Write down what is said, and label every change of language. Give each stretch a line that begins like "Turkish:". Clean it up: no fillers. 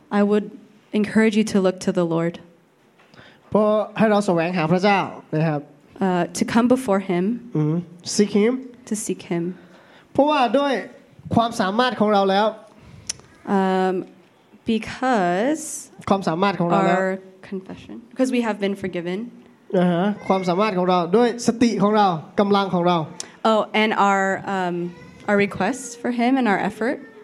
English: I would encourage you to look to the Lord.
Thai: พอให้เราแสวงหาพระเจ้านะครับ
English: to come before him seek him to seek him
Thai: เพราะว่าด้วยความสามารถของเราแล้ว
English: because
Thai: ความสามารถของเราแล้ว
English: our confession because we have been forgiven
Thai: ความสามารถของเราด้วยสติของเรากําลังของเรา
English: oh and our requests for him and our effort